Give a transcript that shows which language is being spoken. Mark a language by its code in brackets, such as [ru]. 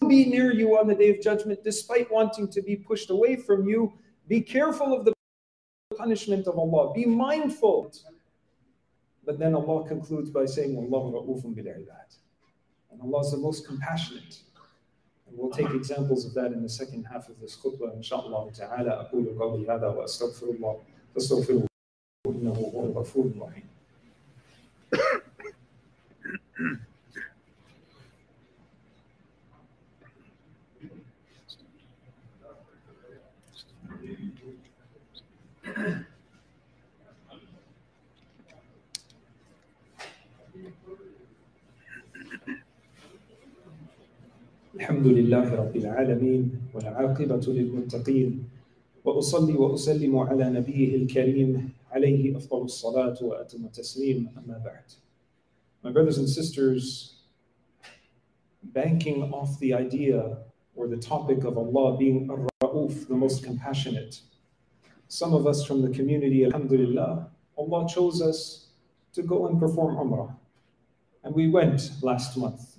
[en] Be near you on the day of judgment despite wanting to be pushed away from you. Be careful of the punishment of Allah. Be mindful. But then Allah concludes by saying, Wallahu ra'ufun bil ibad. And Allah is the most compassionate. And we'll take examples of that in the second half of this khutbah, inshaAllah ta'ala. [ar] أقول قولي هذا وأستغفر الله فاستغفروه إنه هو الغفور الرحيم. الحمد لله رب العالمين والعاقبة للمتقين وأصلي وأسلم على نبيه الكريم عليه أفضل الصلاة وأتم التسليم أما بعد. [en] My brothers and sisters, banking off the idea or the topic of Allah being Ar-Ra'uf, the most compassionate, some of us from the community, alhamdulillah, Allah chose us to go and perform Umrah. And we went last month.